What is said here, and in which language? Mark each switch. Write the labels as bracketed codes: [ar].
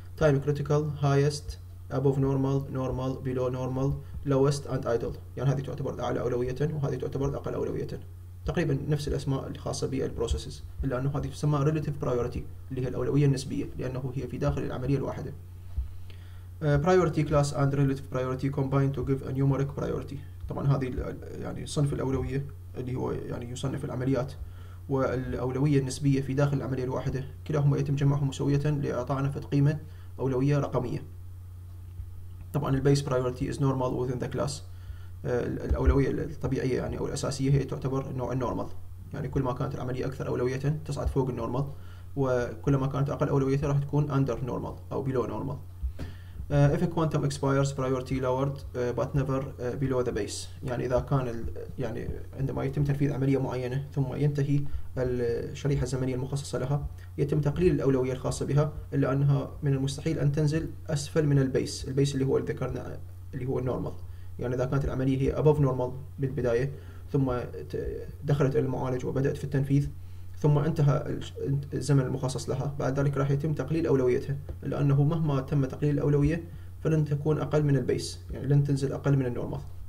[en] time critical highest above normal normal below normal lowest and idle، [ar] يعني هذه تعتبر أعلى أولوية وهذه تعتبر أقل أولوية، تقريبا نفس الأسماء الخاصة بالبروسيسز إلا أنه هذه تسمى relative priority اللي هي الأولوية النسبية لأنه هي في داخل العملية الواحدة. [en] Priority class and relative priority combine to give a numeric priority. [ar] طبعا هذه يعني صنف الأولوية اللي هو يعني يصنف العمليات والأولوية النسبية في داخل العملية الواحدة كلاهما يتم جمعهم سوية لإعطائنا فت قيمة أولوية رقمية. طبعا البيس [en] priority is normal within the class. [ar] الأولوية الطبيعية يعني أو الأساسية هي تعتبر نوع النورمال، يعني كل ما كانت العملية أكثر أولوية تصعد فوق النورمال، وكلما كانت أقل أولوية راح تكون under normal أو below normal. [en] if a quantum expires prior to lowered but never below the base. [ar] يعني إذا كان يعني عندما يتم تنفيذ عملية معينة ثم ينتهي الشريحة الزمنية المخصصة لها، يتم تقليل الأولوية الخاصة بها، إلا أنها من المستحيل أن تنزل أسفل من البيس، البيس اللي هو اللي ذكرنا اللي هو النورمال. يعني إذا كانت العملية هي above normal بالبداية ثم دخلت إلى المعالج وبدأت في التنفيذ ثم انتهى الزمن المخصص لها، بعد ذلك راح يتم تقليل أولويتها، لأنه مهما تم تقليل الأولوية فلن تكون أقل من البيس، يعني لن تنزل أقل من النورمال.